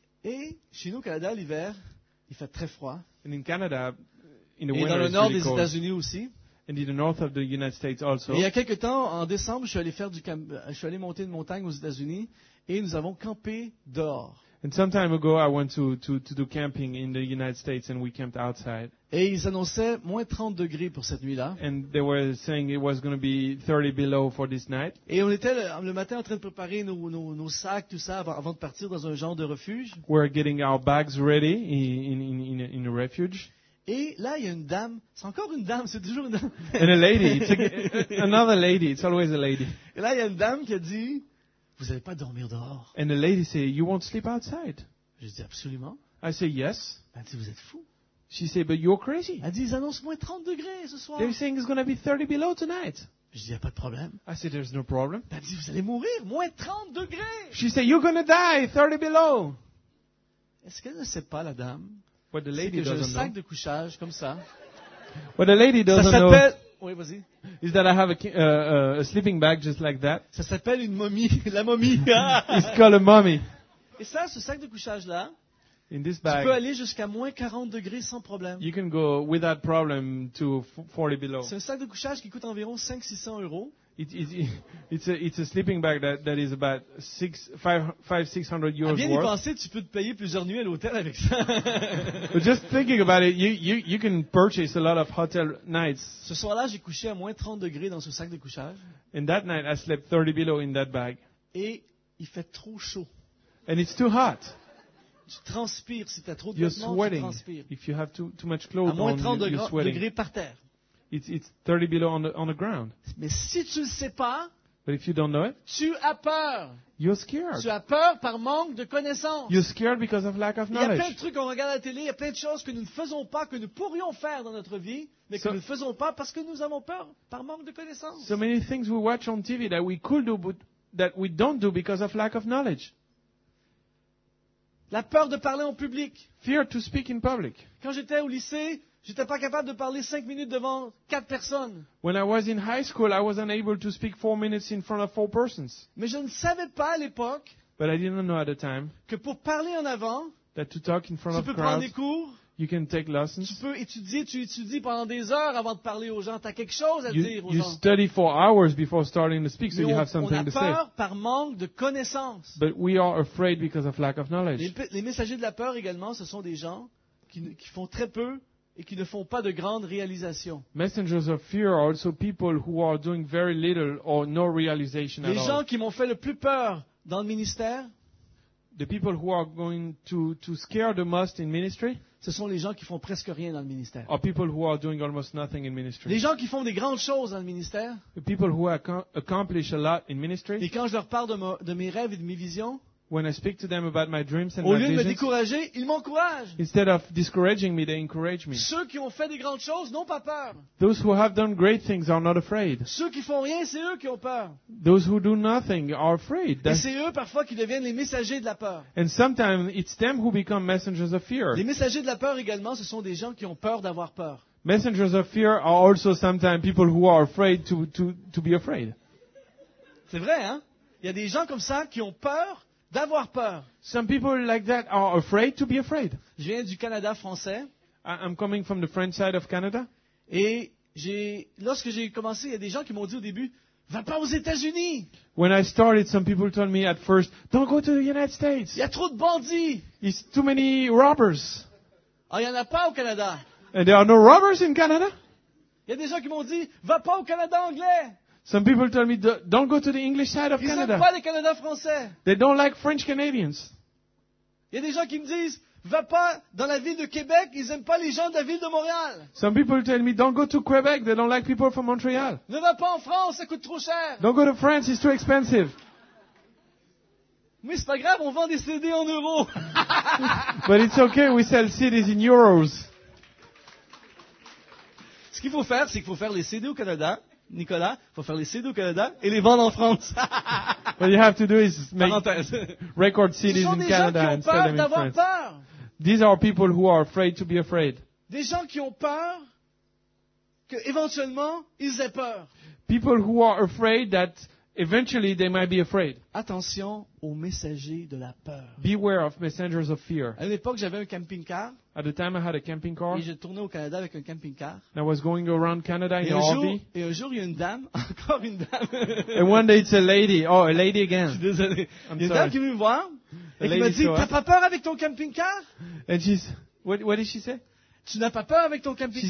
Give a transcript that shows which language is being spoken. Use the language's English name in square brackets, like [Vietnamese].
[French] Et chez nous au Canada, l'hiver, il fait très froid. [English] And in Canada, in the [French] et [English] winter, [French] dans le nord [English] really [French] des États-Unis aussi. [English] And in the north of the United States also. [French] Et il y a quelque temps, en décembre, je suis allé monter une montagne aux États-Unis et nous avons campé dehors. [English] And some time ago, I went to do camping in the United States and we camped outside. [French] Et ils annonçaient moins 30 degrés pour cette nuit-là. [English] And they were saying it was going to be 30 below for this night. [French] Et on était le matin en train de préparer nos sacs, tout ça, avant de partir dans un genre de refuge. [English] We're getting our bags ready in a refuge. [French] Et là, il y a une dame. C'est encore une dame. C'est toujours une dame. [English] And a lady. Another lady. It's always a lady. [French] Et là, il y a une dame qui a dit, vous n'allez pas dormir dehors. [English] And a lady said, you won't sleep outside. [French] Je dis, absolument. [English] I say, yes. [French] Elle dit, vous êtes fou. [English] She said, but you're crazy. [French] Elle dit, ils annoncent moins 30 degrés ce soir. [English] They're saying it's going to be 30 below tonight. [French] Je dis, il n'y a pas de problème. [English] I said, there's no problem. [French] Elle dit, vous allez mourir. Moins 30 degrés. [English] She said, you're going to die 30 below. [French] Est-ce qu'elle ne sait pas, la dame? [English] What the lady [French] c'est que [English] doesn't [French] j'ai [English] know. [French] Un sac de couchage comme ça. [English] What the lady doesn't [French] ça s'appelle... [English] know. [French] Oui, vas-y. [English] Is that I have a sleeping bag just like that? [French] Ça s'appelle une momie, la momie. [English] It's called a mummy. [French] Et ça, ce sac de couchage là. [English] In this bag, [French] tu peux aller jusqu'à moins 40 degrés sans problème. [English] You can go without problem to 40 below. [French] C'est un sac de couchage qui coûte environ 500-600 euros. [English] It's a sleeping bag that is about 500-600 euros worth. [French] Bien y penser, tu peux te payer plusieurs nuits à l'hôtel avec ça. [English] But just thinking about it, you can purchase a lot of hotel nights. [French] Ce soir-là, j'ai couché à moins 30 degrés dans ce sac de couchage. [English] And that night, I slept 30 below in that bag. [French] Et il fait trop chaud. [English] And it's too hot. [French] Tu transpires si tu as trop de vêtements, tu transpires. [English] If you have too much clothes [French] à moins 30 [English] on, you're sweating. [French] Degrés par terre. [English] It's 30 below on the ground. [French] Mais si tu ne sais pas, [English] but if you don't know it, [French] tu as peur. [English] You're scared. [French] Tu as peur par manque de connaissance. [English] You're scared because of lack of knowledge. [French] Il y a plein de trucs qu'on regarde à la télé, il y a plein de choses que nous ne faisons pas, que nous pourrions faire dans notre vie, mais que nous ne faisons pas parce que nous avons peur par manque de connaissance. [English] So many things we watch on TV that we could do but that we don't do because of lack of knowledge. [French] La peur de parler en public. [English] Fear to speak in public. [French] Quand j'étais au lycée, j'étais pas capable de parler 5 minutes devant 4 personnes. [English] When I was in high school, I was unable to speak 4 minutes in front of 4 persons. [French] Mais je ne savais pas à l'époque. [English] But I didn't know at the time. [French] Que pour parler en avant, [English] that to talk in front [French] tu [English] of [French] peux [English] crowds, [French] prendre des cours. [English] You can take lessons. [French] Tu peux étudier, tu étudies pendant des heures avant de parler aux gens, tu as quelque chose à dire aux gens. [English] You study for hours before starting to speak, so you have something to say. [French] On a peur par manque de connaissance. [English] But we are afraid because of lack of knowledge. [French] Les messagers de la peur également, ce sont des gens qui font très peu et qui ne font pas de grandes réalisations. [English] Messengers of fear are also people who are doing very little or no realization at all. [French] Les gens qui m'ont fait le plus peur dans le ministère. [English] The people who are going to scare the most in ministry. [French] Ce sont les gens qui font presque rien dans le ministère. [English] Or people who are doing almost nothing in ministry. [French] Les gens qui font des grandes choses dans le ministère. [English] The people who accomplish a lot in ministry. [French] Et quand je leur parle de mes rêves et de mes visions. [English] When I speak to them about my dreams and my visions. [French] Au lieu de me décourager, ils m'encouragent. [English] Instead of discouraging me, they encourage me. [French] Ceux qui ont fait des grandes choses n'ont pas peur. [English] Those who have done great things are not afraid. [French] Ceux qui font rien, c'est eux qui ont peur. [English] Those who do nothing are afraid. [French] Et c'est eux parfois qui deviennent les messagers de la peur. [English] And sometimes it's them who become messengers of fear. [French] Les messagers de la peur également, ce sont des gens qui ont peur d'avoir peur. [English] Messengers of fear are also sometimes people who are afraid to be afraid. [French] C'est vrai, hein? Il y a des gens comme ça qui ont peur. D'avoir peur. [English] Some people like that are afraid to be afraid. [French] Je viens du Canada français. [English] I'm coming from the French side of Canada. [French] Et lorsque j'ai commencé, il y a des gens qui m'ont dit au début, va pas aux États-Unis. [English] When I started, some people told me at first, don't go to the United States. [French] Il y a trop de bandits. [English] It's too many robbers. [French] Ah, il y en a pas au Canada. [English] And there are no robbers in Canada. [French] Il y a des gens qui m'ont dit, va pas au Canada anglais. [English] Some people tell me, don't go to the English side of [French] Ils [English] Canada. [French] Ils n'aiment pas les Canadiens français. [English] They don't like French Canadians. [French] Il y a des gens qui me disent, va pas dans la ville de Québec. Ils n'aiment pas les gens de la ville de Montréal. [English] Some people tell me, don't go to Quebec. They don't like people from Montreal. [French] Ne va pas en France, ça coûte trop cher. [English] Don't go to France, it's too expensive. [French] Mais c'est pas grave, on vend des CD en euros. [English] But it's okay, we sell CDs in euros. [French] Ce qu'il faut faire, c'est qu'il faut faire les CD au Canada. Nicolas, il faut faire les CD au Canada et les vendre en France. [English] What you have to do is make record CDs in Canada and sell them in France. [French] Peur. [English] These are people who are afraid to be afraid. [French] Des gens qui ont peur que éventuellement ils aient peur. [English] People who are afraid that eventually they might be afraid. [French] Attention aux messagers de la peur. [English] Beware of messengers of fear. [French] À l'époque, j'avais un camping-car. [English] At the time, I had a camping car. [French] Et je tournais au Canada avec un camping-car. [English] And I was going around Canada in an RV. [French] Et un jour, il y a une dame, encore une dame. [English] And one day, it's a lady. Oh, a lady again. [French] Je suis désolé. [English] I'm [French] il y a une dame qui vient me voir et qui m'a dit, t'as pas peur avec ton camping-car? [English] And she said, what did she say? [French] Tu n'as pas peur avec ton camping-car?